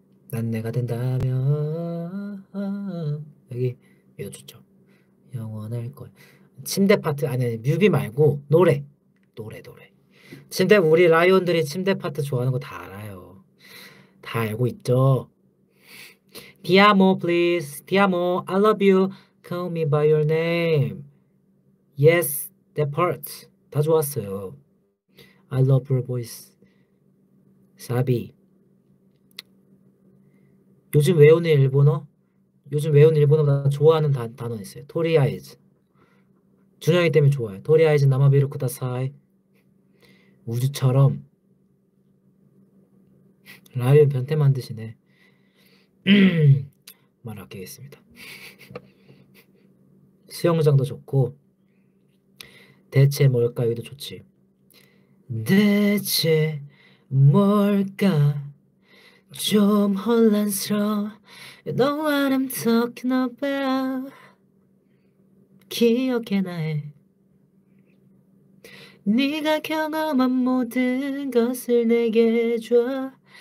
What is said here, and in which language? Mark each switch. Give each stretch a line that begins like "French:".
Korean: 난 내가 된다면 여기 이거 좋죠. 영원할 거야. 침대 파트 아니 뮤비 말고 노래 노래 노래. 침대 우리 라이온들이 침대 파트 좋아하는 거다 알아요. 다 알고 있죠.
English: 디아모 플리즈 디아모 I love you call me by your name. Yes, that part
Korean: 다 좋았어요.
English: I love your voice. 사비.
Korean: 요즘 외우는 일본어? 요즘 외우는 일본어보다 좋아하는 단어 있어요. 토리아이즈. 준영이 때문에 좋아요.
Japanese: 토리아이즈 나마비루 쿠다사이.
Korean: 우주처럼. 라이언 변태 만드시네. 말 아끼겠습니다. 수영장도 좋고 대체 뭘까요? 이도 좋지. 대체 뭘까? 좀 혼란스러워.
English: You know what I'm talking about.
Korean: 기억해 나의 네가 경험한 모든 것을 내게 줘.